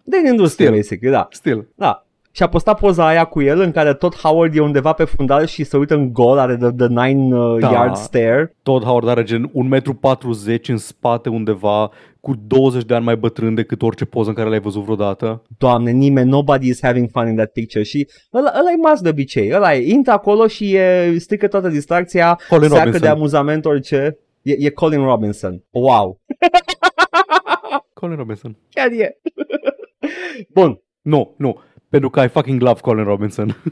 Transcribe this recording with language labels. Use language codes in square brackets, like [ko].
[ro] Din industrie, [en] still, basically, [ro] da. [en] Still. [ro] Da. Și a postat poza aia cu el, în care Todd Howard e undeva pe fundal și se uită în gol, are [en] the 9 yard stare. [ro] Todd Howard are gen 1,40 m în spate undeva, cu 20 de ani mai bătrân decât orice poză în care l-ai văzut vreodată. Doamne, nimeni, [en] nobody is having fun in that picture. [ro] Și ăla e Musk de obicei, ăla e, intră acolo și e, strică toată distracția, Colin seacă Robinson de amuzament orice. E Colin Robinson. Wow. Colin Robinson. Chiar e. Bun. Nu. Pentru că [en] I fucking love Colin Robinson.